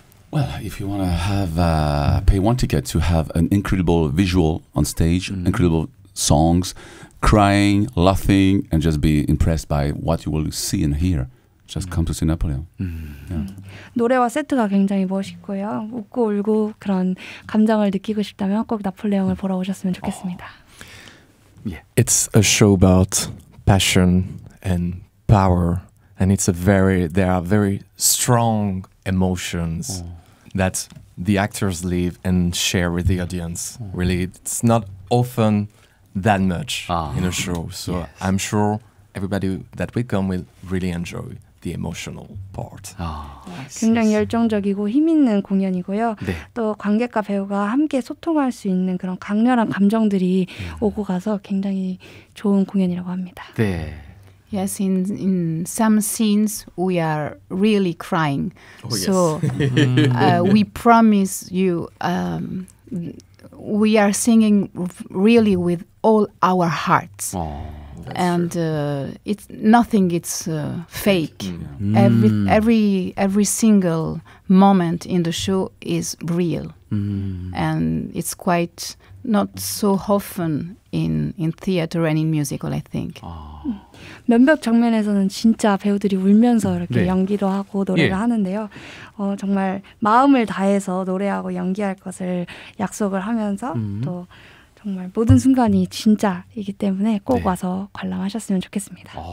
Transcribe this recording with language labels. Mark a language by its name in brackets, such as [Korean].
[English] Well, if you want to have pay one ticket to have an incredible visual on stage, incredible songs, crying, laughing, and just be impressed by what you will see and hear, just come to see Napoleon. [Korean] 노래와 세트가 굉장히 멋있고요. 웃고 울고 그런 감정을 느끼고 싶다면 꼭 나폴레옹을 보러 오셨으면 좋겠습니다. [English] It's a show about passion and power. And it's a very, there are very strong emotions that the actors live and share with the audience. Really, it's not often that much in a show. So yes. I'm sure everybody that will come will really enjoy the emotional part. Yes. [Korean] 굉장히 열정적이고 힘 있는 공연이고요. 네. 또 관객과 배우가 함께 소통할 수 있는 그런 강렬한 감정들이 오고 가서 굉장히 좋은 공연이라고 합니다. 네. [English] Yes, in some scenes we are really crying. We promise you, we are singing really with all our hearts. And it's nothing. It's fake. Mm. Every single moment in the show is real, and it's quite not so often in theater and in musical. I think. [Korean] 몇 몇 장면에서는 진짜 배우들이 울면서 이렇게 네. 연기도 하고 노래를 예. 하는데요. 정말 마음을 다해서 노래하고 연기할 것을 약속을 하면서 또 정말 모든 순간이 진짜이기 때문에 꼭 네. 와서 관람하셨으면 좋겠습니다.